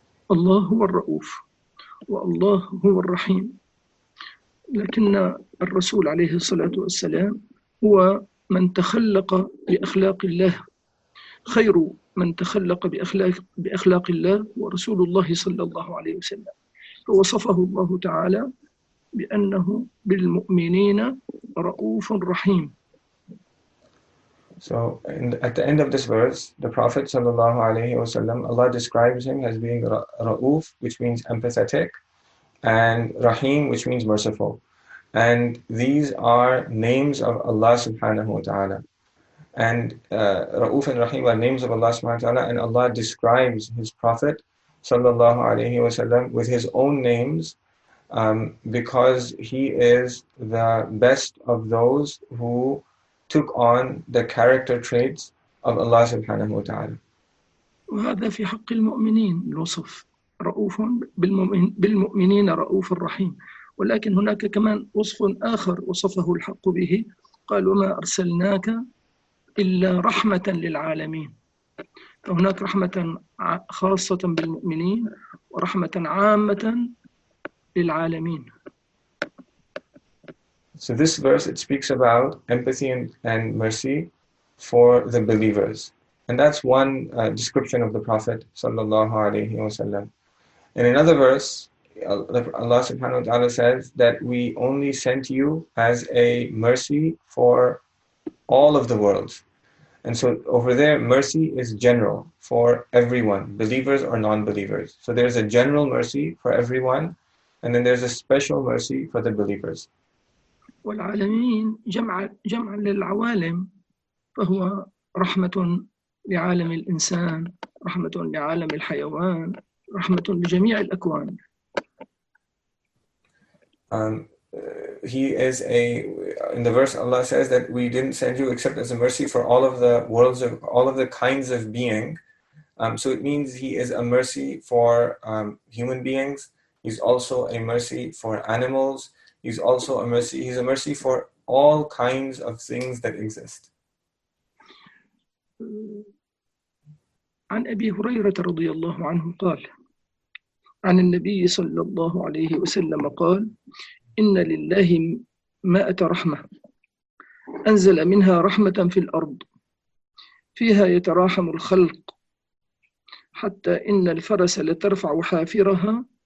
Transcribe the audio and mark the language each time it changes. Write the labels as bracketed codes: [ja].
[ar] الله هو الرؤوف والله هو الرحيم، لكن الرسول عليه الصلاة والسلام هو من تخلق بأخلاق الله. خير من تخلق بأخلاق الله هو رسول الله صلى الله عليه وسلم، فوصفه الله تعالى بأنه بالمؤمنين رؤوف رحيم. [en] So at the end of this verse, the Prophet sallallahu alaihi wasallam, Allah describes him as being ra'uf, which means empathetic, and rahim, which means merciful. And these are names of Allah subhanahu wa ta'ala. And ra'uf and rahim are names of Allah subhanahu wa ta'ala, and Allah describes his Prophet sallallahu alaihi wasallam with his own names, because he is the best of those who took on the character traits of Allah subhanahu wa ta'ala. [ar] وهذا في حق المؤمنين الوصف رؤوف بالمؤمنين رؤوف الرحيم، ولكن هناك كمان وصف آخر وصفه الحق به، قال: وما أرسلناك إلا رحمة للعالمين. فهناك رحمة خاصة بالمؤمنين ورحمة عامة للعالمين. [en] So this verse, it speaks about empathy and mercy for the believers. And that's one description of the Prophet sallallahu alaihi wasallam. In another verse, Allah subhanahu wa ta'ala says that we only sent you as a mercy for all of the world. And so over there, mercy is general for everyone, believers or non-believers. So there's a general mercy for everyone, and then there's a special mercy for the believers. [ar] والعالمين جمع للعوالم، فهو رحمة لعالم الإنسان، رحمة لعالم الحيوان، رحمة لجميع الأكوان. [en] He is a, in the verse Allah says that we didn't send you except as a mercy for all of the worlds of all of the kinds of being. So it means he is a mercy for human beings. He's also a mercy for animals. He's also a mercy. He's a mercy for all kinds of things that exist. [ar] عن أبي هريرة رضي الله عنه قال عن النبي صلى الله عليه وسلم قال: إن لله 100 رحمة أنزل منها رحمة في الأرض فيها يتراحم الخلق حتى إن الفرس لترفع حافرها